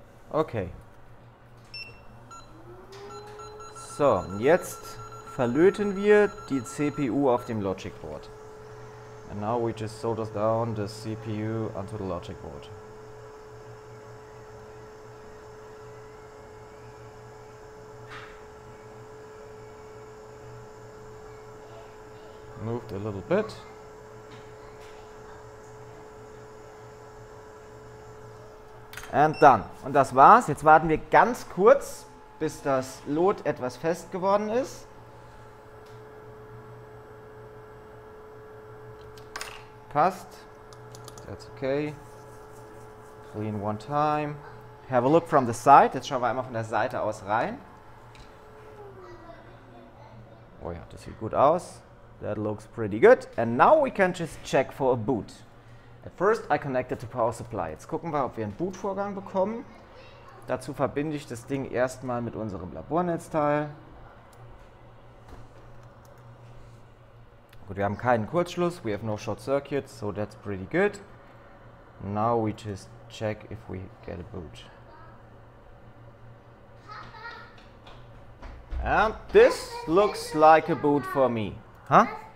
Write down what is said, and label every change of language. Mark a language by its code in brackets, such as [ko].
[de] Okay. So, jetzt verlöten wir die CPU auf dem Logic Board. [en] And now we just solder down the CPU onto the Logic Board. Moved a little bit. And done. [de] Und das war's. Jetzt warten wir ganz kurz, bis das Lot etwas fest geworden ist. [en] Passt. That's okay. Clean one time. Have a look from the side. [de] Jetzt schauen wir einmal von der Seite aus rein. Oh ja, das sieht gut aus. [en] That looks pretty good. And now we can just check for a boot. At first I connected the power supply. [de] Jetzt gucken wir, ob wir einen Bootvorgang bekommen. Dazu verbinde ich das Ding erstmal mit unserem Labornetzteil. Gut, wir haben keinen Kurzschluss. [en] We have no short circuits, so that's pretty good. Now we just check if we get a boot. And this looks like a boot for me. Huh?